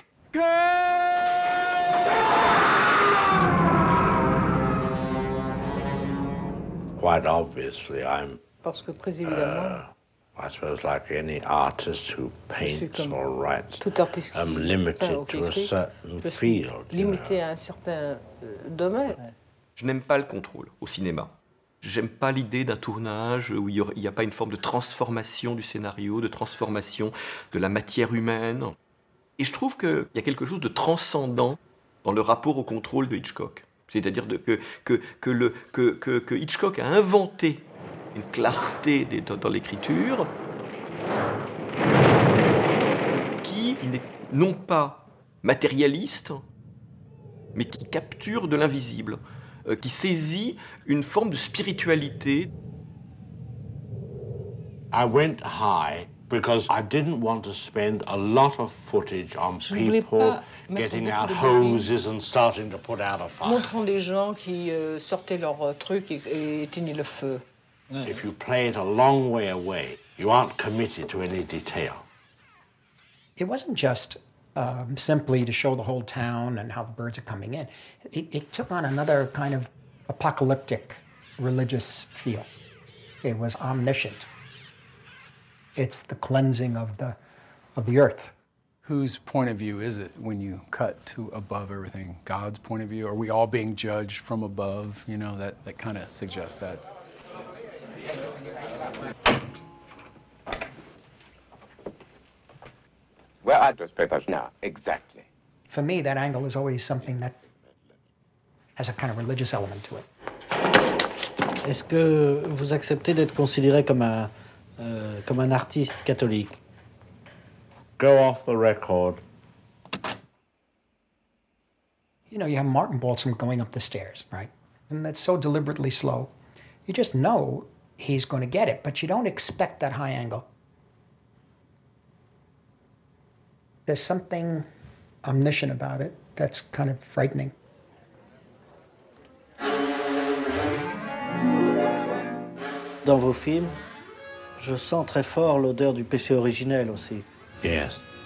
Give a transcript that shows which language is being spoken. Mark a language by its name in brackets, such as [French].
[English] Quite obviously, I'm, I suppose like any artist who paints or writes, I'm limited to a certain field. [French] Limité à un certain domaine. Je n'aime pas le contrôle au cinéma. J'aime pas l'idée d'un tournage où il n'y a pas une forme de transformation du scénario, de transformation de la matière humaine. Et je trouve qu'il y a quelque chose de transcendant dans le rapport au contrôle de Hitchcock. C'est-à-dire que Hitchcock a inventé une clarté dans l'écriture qui n'est non pas matérialiste, mais qui capture de l'invisible, qui saisit une forme de spiritualité. [English] I went high because I didn't want to spend a lot of footage on people getting out hoses and starting to put out a fire. [French] Montrant des gens qui sortaient leurs trucs et éteignaient le feu. [English] If you play it a long way away, you aren't committed to any detail. It wasn't just simply to show the whole town and how the birds are coming in. It took on another kind of apocalyptic religious feel. It was omniscient. It's the cleansing of the earth. Whose point of view is it when you cut to above everything? God's point of view? Are we all being judged from above? You know, that kind of suggests that. Where are those papers now, exactly? For me, that angle is always something that has a kind of religious element to it. [French] Est-ce que vous acceptez d'être considéré comme un artiste catholique? [English] Go off the record. You know, you have Martin Balsam going up the stairs, right? And that's so deliberately slow. You just know he's going to get it, but you don't expect that high angle. There's something omniscient about it that's kind of frightening. [French] Dans vos films, je sens très fort l'odeur du péché originel aussi. [English] Yes.